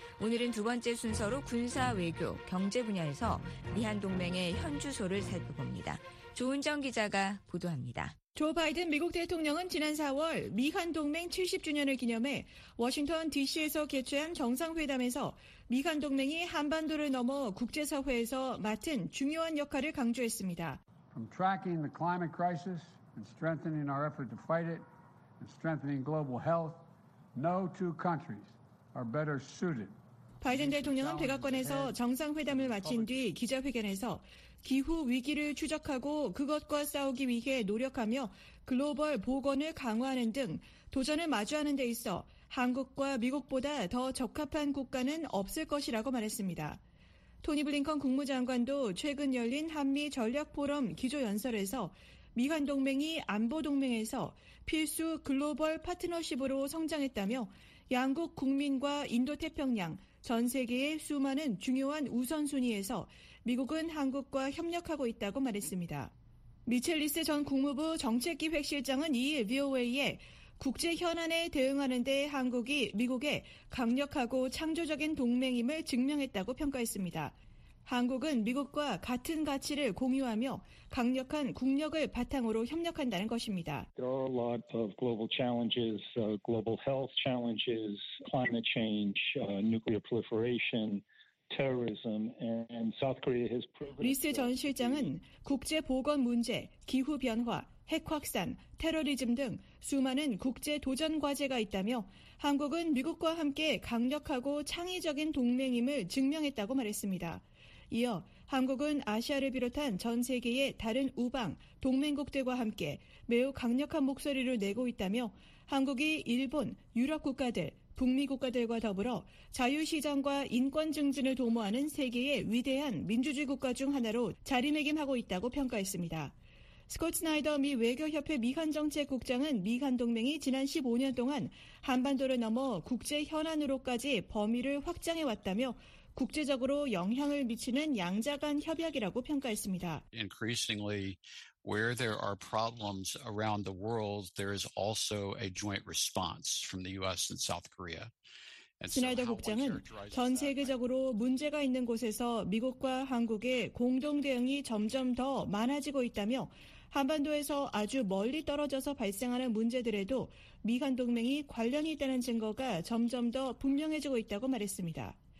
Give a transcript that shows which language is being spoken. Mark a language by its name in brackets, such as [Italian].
[Korean] 오늘은 두 번째 순서로 군사, 외교, 경제 분야에서 미한 동맹의 현주소를 살펴봅니다. 조은정 기자가 보도합니다. 조 바이든 미국 대통령은 지난 4월 미한 동맹 70주년을 기념해 워싱턴 DC에서 개최한 정상회담에서 미한 동맹이 한반도를 넘어 국제사회에서 맡은 중요한 역할을 강조했습니다. [English] From tracking the climate crisis and strengthening our effort to fight it and strengthening global health, no two countries are better suited. [Korean] 바이든 대통령은 백악관에서 정상회담을 마친 뒤 기자회견에서 기후 위기를 추적하고 그것과 싸우기 위해 노력하며 글로벌 보건을 강화하는 등 도전을 마주하는 데 있어 한국과 미국보다 더 적합한 국가는 없을 것이라고 말했습니다. 토니 블링컨 국무장관도 최근 열린 한미 전략포럼 기조연설에서 미한 동맹이 안보 동맹에서 필수 글로벌 파트너십으로 성장했다며 양국 국민과 인도태평양, 전 세계의 수많은 중요한 우선순위에서 미국은 한국과 협력하고 있다고 말했습니다. 미첼 리스 전 국무부 정책기획실장은 2일 VOA에 국제 현안에 대응하는 데 한국이 미국의 강력하고 창조적인 동맹임을 증명했다고 평가했습니다. 한국은 미국과 같은 가치를 공유하며 강력한 국력을 바탕으로 협력한다는 것입니다. [English] There are a lot of global challenges, global health challenges, climate change, nuclear proliferation, terrorism, and South Korea has proven. [Korean] 리스 전 실장은 국제 보건 문제, 기후 변화, 핵 확산, 테러리즘 등 수많은 국제 도전 과제가 있다며 한국은 미국과 함께 강력하고 창의적인 동맹임을 증명했다고 말했습니다. 이어 한국은 아시아를 비롯한 전 세계의 다른 우방, 동맹국들과 함께 매우 강력한 목소리를 내고 있다며 한국이 일본, 유럽 국가들, 북미 국가들과 더불어 자유시장과 인권 증진을 도모하는 세계의 위대한 민주주의 국가 중 하나로 자리매김하고 있다고 평가했습니다. 스콧 스나이더 미 외교협회 미한정책국장은 미한동맹이 지난 15년 동안 한반도를 넘어 국제 현안으로까지 범위를 확장해왔다며 국제적으로 영향을 미치는 양자간 협약이라고 평가했습니다. [English] Increasingly, where there are problems around the world, there is also a joint response from the U.S. and South Korea. [Korean] 스나이더 국장은 전 세계적으로 문제가 있는 곳에서 미국과 한국의 공동 대응이 점점 더 많아지고 있다며 한반도에서 아주 멀리 떨어져서 발생하는 문제들에도 미한 동맹이 관련이 있다는 증거가 점점 더 분명해지고 있다고 말했습니다.